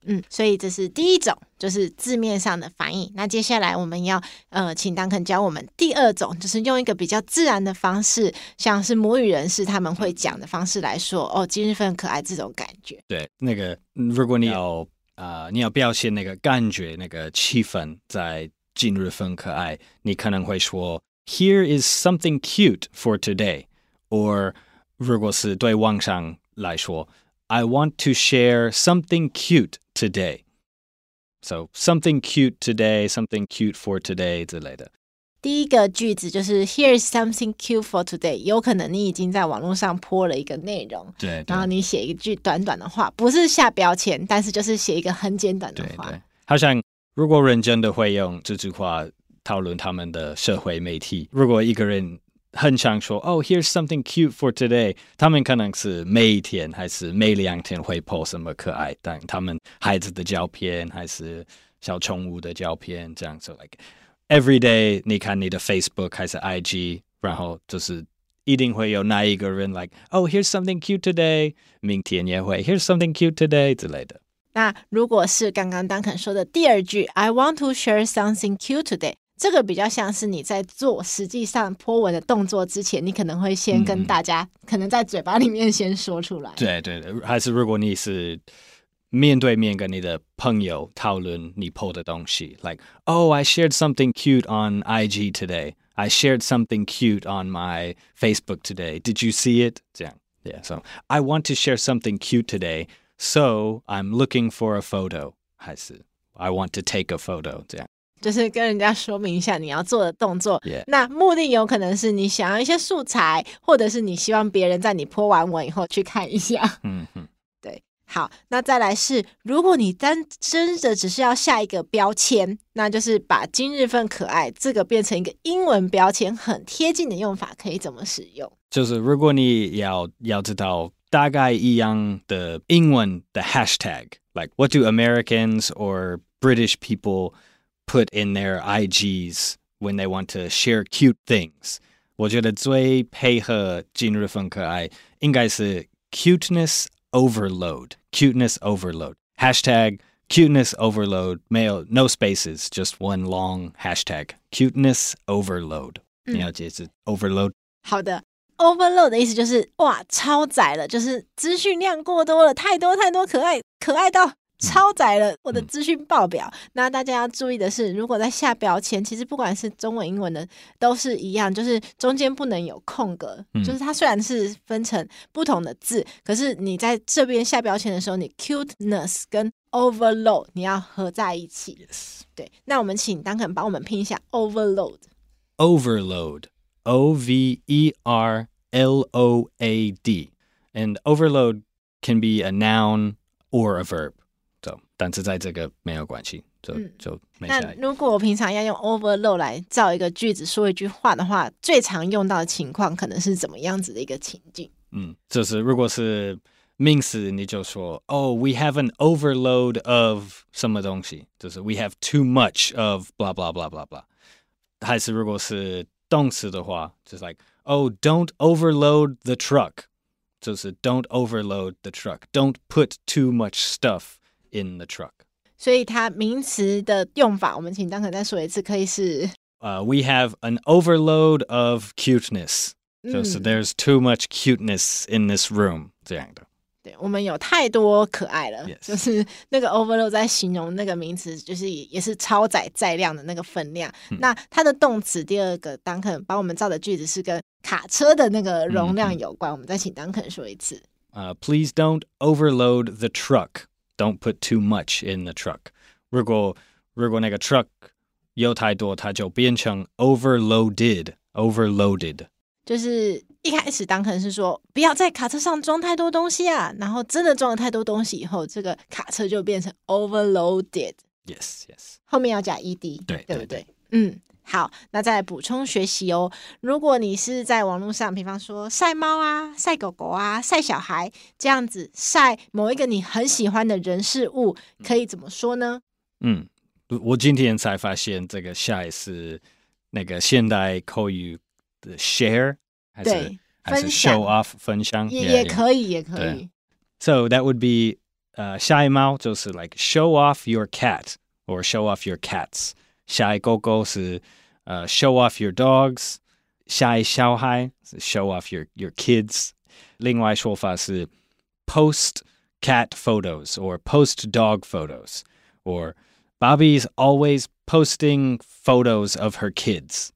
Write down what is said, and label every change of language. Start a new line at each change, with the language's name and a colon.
Chinese: 所以这是第一种，就是字面上的翻译。那接下来我们要请Duncan教我们第二种，就是用一个比较自然的方式，像是母语人士他们会讲的方式来说，哦，今日份可爱这种感觉。对，那个如果你要你要表现那个感觉，那个气氛在今日份可爱，你可能会说
English: Here is something cute for today. Or
Chinese: 如果是对网上来说，
English: I want to share something cute today. So, something cute today, something cute for today,
Chinese: 之类的。
English: 第一个句子就是 Here's something cute for today.
Chinese: 有可能你已经在网络上po了一个内容。对。然后你写一句短短的话，不是下标签，但是就是写一个很简短的话。对。好像如果人真的会用这句话讨论他们的社会媒体，如果一个人很常说
English: Oh, here's something cute for today,
Chinese: 他们可能是每一天还是每两天会 po 什么可爱，但他们孩子的照片还是小宠物的照片这样。
English: So like every day
Chinese: 你看你的 Facebook 还是 IG, 然后就是一定会有那一个人
English: like Oh, here's something cute today,
Chinese: 明天也会
English: Here's something cute today
Chinese: 之类的。那如果是刚刚Duncan说的第二句
English: I want to share something cute today,
Chinese: 这个比较像是你在做实际上泼文的动作之前，你可能会先跟大家、可能在嘴巴里面先说出来。对对对，还是如果你是面对面跟你的朋友讨论你 po 的东西
English: ，like oh I shared something cute on IG today, I shared something cute on my Facebook today, did you see it?
Chinese: 这样
English: ，yeah. So I want to share something cute today, so I'm looking for a photo.
Chinese: 还是
English: I want to take a photo.
Chinese: 这样，就是跟人家说明一下你要做的动作。
English: Yeah.
Chinese: 那目的有可能是你想要一些素材，或者是你希望别人在你 po 完文以后去看一下。嗯哼。好，那再来是，如果你单真的只是要下一个标签，那就是把今日份可爱这个变成一个英文标签，很贴近的用法，可以怎么使用？就是如果你要知道大概一样的英文的
English: hashtag, like what do Americans or British people put in their IGs when they want to share cute things?
Chinese: 我觉得最配合今日份可爱应该是
English: cuteness,Overload, cuteness overload. Hashtag cuteness overload,
Chinese: 没有,
English: no spaces, just one long hashtag. Cuteness overload.、
Chinese: 你要解释 overload? 好的 ,overload 的意思就是哇超载了，就是资讯量过多了，太多太多可爱，可爱到超载了我的资讯报表。那大家要注意的是，如果在下标签，其实不管是中文英文的都是一样，就是中间不能有空格、就是它虽然是分成不同的字，可是你在这边下标签的时候，你 cuteness 跟 overload 你要合在一起、
English: yes.
Chinese: 对，那我们请 Duncan 帮我们拼一下 overload.
English: Overload, O-V-E-R-L-O-A-D. And overload can be a noun or a verb.
Chinese: 但是在这个没有关系 就没下来。那如果我平常要用 overload 来造一个句子说一句话的话，最常用到的情况可能是怎么样子的一个情境？就是如果是名词，你就说
English: Oh, we have an overload of
Chinese: 什么东西，就是
English: we have too much of blah blah blah blah blah.
Chinese: 还是如果是动词的话，就是
English: like Oh, don't overload the truck,
Chinese: 就是
English: don't overload the truck, don't put too much stuffin the truck.
Chinese: 所以它名词的用法我们请Duncan再说一次，可以是
English: We have an overload of cuteness.、
Chinese: 就是
English: there's too much cuteness in this room.
Chinese: 这样的。对，我们有太多可爱了、
English: yes.
Chinese: 就是那个 overload 在形容那个名词，就是也是超载载量的那个分量、那它的动词第二个Duncan帮我们造的句子是跟卡车的那个容量有关、我们再请Duncan说一次、
English: Please don't overload the truck. Don't put too much in the truck.
Chinese: 如果那个 truck 有太多，它就变成 overloaded.
English: Overloaded.
Chinese: 就是一开始当可能是说不要在卡车上装太多东西啊，然后真的装了太多东西以后，这个卡车就变成 overloaded.
English: Yes, yes.
Chinese: 后面要加 ed. 对，对不对？好，那再补充学习哦。如果你是在网络上，比方说晒猫啊、晒狗狗啊、晒小孩这样子晒某一个你很喜欢的人事物，可以怎么说呢？我今天才发现这个晒是那个现代口语的 share， 还是
English: show off
Chinese: 分享也可以，也可以。
English: So that would be
Chinese: 晒猫就是
English: like show off your cat or show off your cats.
Chinese: 晒狗狗是
English: show off your dogs,
Chinese: 晒小孩是
English: show off your kids.
Chinese: 另外说法是
English: post cat photos or post dog photos or Bobby's always posting photos of her kids.